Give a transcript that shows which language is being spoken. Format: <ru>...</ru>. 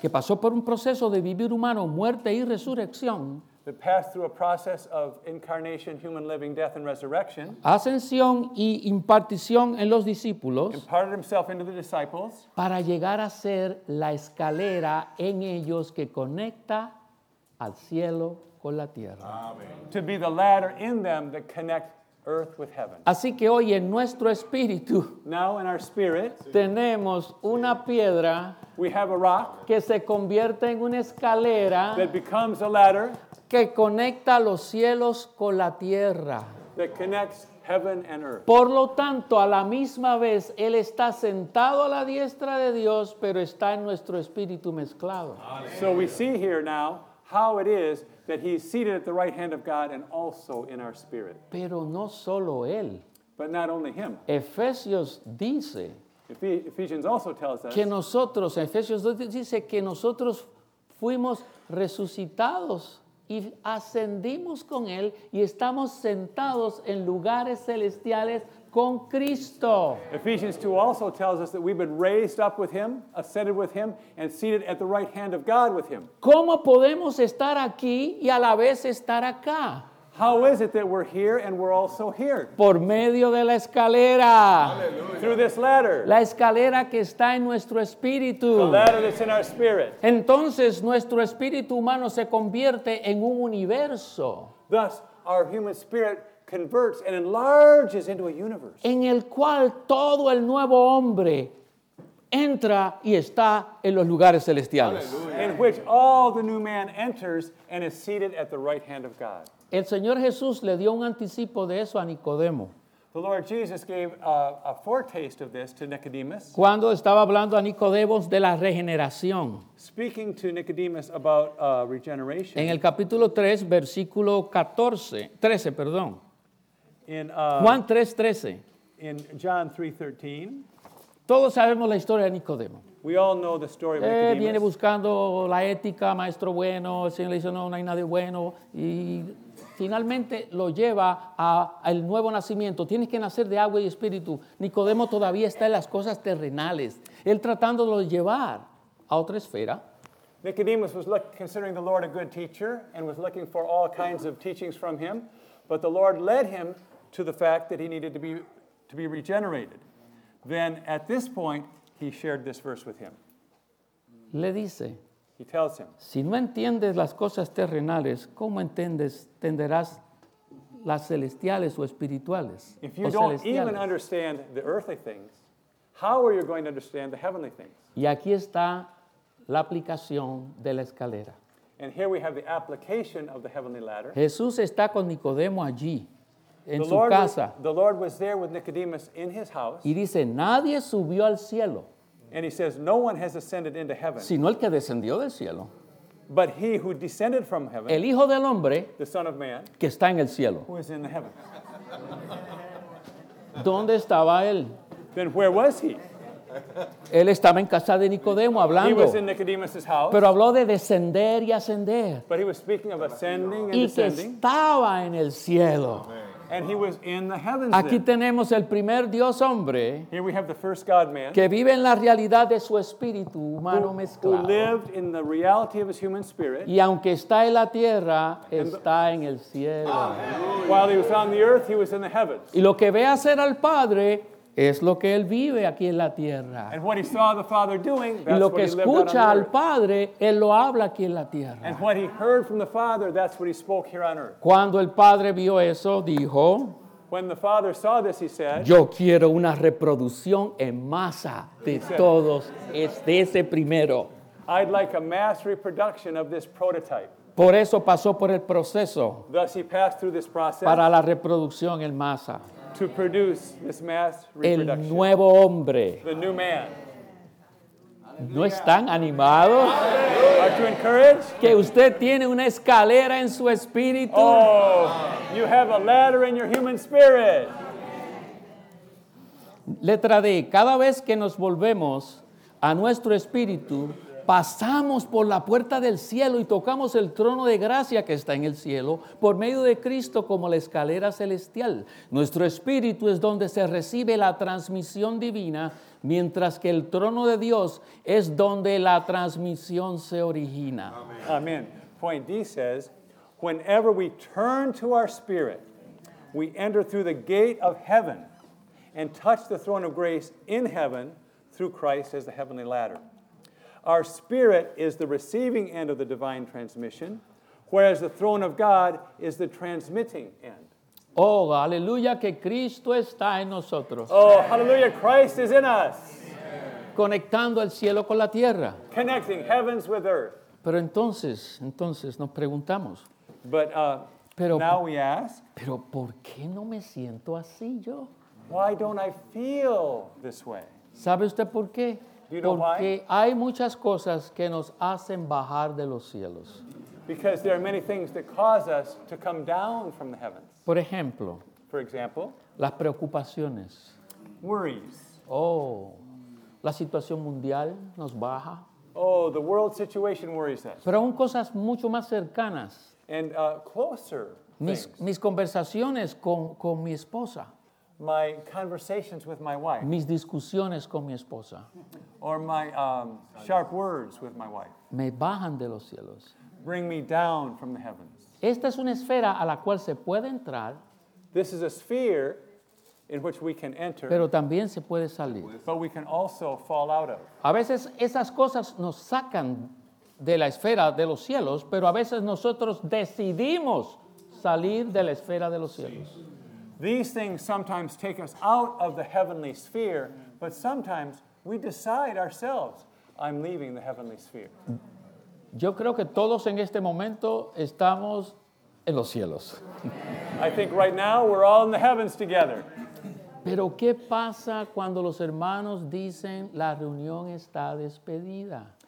<es>que pasó por un proceso de vivir humano, muerte y resurrección.</es> <en>That passed through a process of incarnation, human living, death, and resurrection.</en> <es>Ascensión y impartición en los discípulos.</es> <en>Imparted himself into the disciples.</en> <es>Para llegar a ser la escalera en ellos que conecta al cielo con la tierra.</es> <en>Amen. To be the ladder in them that connect earth with heaven.</en> <es>Así que hoy en nuestro espíritu.</es> <en>Now in our spirit.</en> <es>Tenemos una piedra.</es> <en>We have a rock.</en> <es>Que se convierte en una escalera.</es> <en>That becomes a ladder.</en> <es>Que conecta los cielos con la tierra.</es> <en>That connects heaven and earth.</en> <es>Por lo tanto, a la misma vez, Él está sentado a la diestra de Dios, pero está en nuestro espíritu mezclado.</es> <en>So we see here now how it is that He's seated at the right hand of God and also in our spirit.</en> <es>Pero no solo Él.</es> <en>But not only Him.</en> <es>Efesios dice,</es> <en>Ephesians also tells us,</en> <es>que nosotros, Efesios 2 dice que nosotros fuimos resucitados y ascendimos con Él y estamos sentados en lugares celestiales con Cristo.</es> <en>Ephesians 2 also tells us that we've been raised up with Him, ascended with Him, and seated at the right hand of God with Him.</en> <es>¿Cómo podemos estar aquí y a la vez estar acá?</es> <en>How is it that we're here and we're also here?</en> <es>Por medio de la escalera.</es> <en>Hallelujah. Through this ladder.</en> <es>La escalera que está en nuestro espíritu.</es> <en>The ladder that's in our spirit.</en> <es>Entonces nuestro espíritu humano se convierte en un universo.</es> <en>Thus our human spirit converts and enlarges into a universe.</en> <es>En el cual todo el nuevo hombre entra y está en los lugares celestiales.</es> <en>Hallelujah. In which all the new man enters and is seated at the right hand of God.</en> <es>El Señor Jesús le dio un anticipo de eso a Nicodemo.</es> <en>The Lord Jesus gave a foretaste of this to Nicodemus.</en> <es>Cuando estaba hablando a Nicodemos de la regeneración.</es> <en>Speaking to Nicodemus about regeneration.</en> <es>En el capítulo 3, versículo 14, 13, perdón.</es> <en>In,</en> <es>Juan 3, 13.</es> <en>In John 3, 13.</en> <es>Todos sabemos la historia de Nicodemo. We all know the story of Nicodemus. Viene buscando la ética, maestro bueno. El Señor le dice, no, no hay nadie bueno. Y finalmente lo lleva al nuevo nacimiento. Tienes que nacer de agua y espíritu. Nicodemo todavía está en las cosas terrenales. Él tratándolo de llevar a otra esfera.</es> <en>Nicodemus was considering the Lord a good teacher and was looking for all kinds of teachings from Him. But the Lord led him to the fact that he needed to be regenerated. Then at this point, he shared this verse with him.</en> <es>Le dice,</es> <en>he tells him,</en> <es>si no entiendes las cosas terrenales, ¿cómo entenderás las celestiales o espirituales?</es> <en>If you don't even understand the earthly things, how are you going to understand the heavenly things?</en> <es>Y aquí está la aplicación de la escalera.</es> <en>And here we have the application of the heavenly ladder.</en> <es>Jesús está con Nicodemo allí. En su casa.</es> <en>The Lord was there with Nicodemus in his house.</en> <es>Y dice, nadie subió al cielo.</es> <en>And he says, no one has ascended into heaven.</en> <es>Sino el que descendió del cielo.</es> <en>But he who descended from heaven.</en> <es>El Hijo del Hombre.</es> <en>The Son of Man.</en> <es>Que está en el cielo.</es> <en>Who is in the heaven.</en> <es>¿Dónde estaba él?</es> <en>Then where was he?</en> <es>Él estaba en casa de Nicodemo hablando.</es> <en>He was in Nicodemus's house.</en> <es>Pero habló de descender y ascender.</es> <en>But he was speaking of ascending</en> <es>y</es> <en>and descending.</en> <es>Y que estaba en el cielo.</es> <en>Amen. And he was in the heavens.</en> <es>Aquí tenemos el primer Dios hombre.</es> <en>Here we have the first God man.</en> <es>Que vive en la realidad de su espíritu humano mezclado.</es> <en>Who lived in the reality of his human spirit.</en> <es>Y aunque está en la tierra, está en el cielo.</es> <en>Amen. While he was on the earth, he was in the heavens.</en> <es>Y lo que ve hacer al Padre es lo que él vive aquí en la tierra.</es> <en>And what he saw the Father doing, that's</en> <es>y lo que</es> <en>what</en> <es>escucha al Padre, él lo habla aquí en la tierra.</es> <en>And what he heard from the Father, that's what he spoke here on earth.</en> <es>Cuando el Padre vio eso, dijo,</es> <en>when the Father saw this, he said,</en> <es>yo quiero una reproducción en masa de said, todos, de ese primero.</es> <en>I'd like a mass reproduction of this prototype.</en> <es>Por eso pasó por el proceso.</es> <en>Thus he passed through this process.</en> <es>Para la reproducción en masa.</es> <en>To produce this mass reproduction.</en> <es>El nuevo hombre.</es> <en>The new man.</en> <es>¿No están animados?</es> <en>Aren't to encourage?</en> <es>Que usted tiene una escalera en su espíritu.</es> <en>Oh, you have a ladder in your human spirit.</en> <es>Letra D. Cada vez que nos volvemos a nuestro espíritu, pasamos por la puerta del cielo y tocamos el trono de gracia que está en el cielo por medio de Cristo como la escalera celestial. Nuestro espíritu es donde se recibe la transmisión divina, mientras que el trono de Dios es donde la transmisión se origina.</es> <en>Amen. Point D says, whenever we turn to our spirit, we enter through the gate of heaven and touch the throne of grace in heaven through Christ as the heavenly ladder. Our spirit is the receiving end of the divine transmission, whereas the throne of God is the transmitting end.</en> <es>Oh, aleluya, que Cristo está en nosotros.</es> <en>Oh, hallelujah, Christ is in us.</en> <es>Conectando el cielo con la tierra.</es> <en>Connecting heavens with earth.</en> <es>Pero entonces nos preguntamos.</es> <en>Now we ask.</en> <es>Pero ¿por qué no me siento así yo?</es> <en>Why don't I feel this way?</en> <es>¿Sabe usted por qué?</es> <en>Do you know why?</en> <es>Hay muchas cosas que nos hacen bajar de los cielos.</es> <en>Because there are many things that cause us to come down from the heavens.</en> <es>Por ejemplo, las preocupaciones.</es> <en>Worries.</en> <es>Oh, la situación mundial nos baja.</es> <en>Oh, the world situation worries us.</en> <es>Pero aún cosas mucho más cercanas.</es> <en>And closer things.</en> <es>Mis conversaciones con mi esposa.</es> <en>My conversations with my wife.</en> <es>Mis discusiones con mi esposa.</es> <en>Or my sharp words with my wife.</en> <es>Me bajan de los cielos.</es> <en>Bring me down from the heavens.</en> <es>Esta es una esfera a la cual se puede entrar.</es> <en>This is a sphere in which we can enter.</en> <es>Pero también se puede salir.</es> <en>But we can also fall out of.</en> <es>A veces esas cosas nos sacan de la esfera de los cielos, pero a veces nosotros decidimos salir de la esfera de los cielos.</es> <en>These things sometimes take us out of the heavenly sphere, but sometimes we decide ourselves, I'm leaving the heavenly sphere.</en> <es>Yo creo que todos en este momento estamos en los cielos.</es> <en>I think right now we're all in the heavens together.</en> <es>Pero ¿qué pasa cuando los hermanos dicen la reunión está despedida?</es>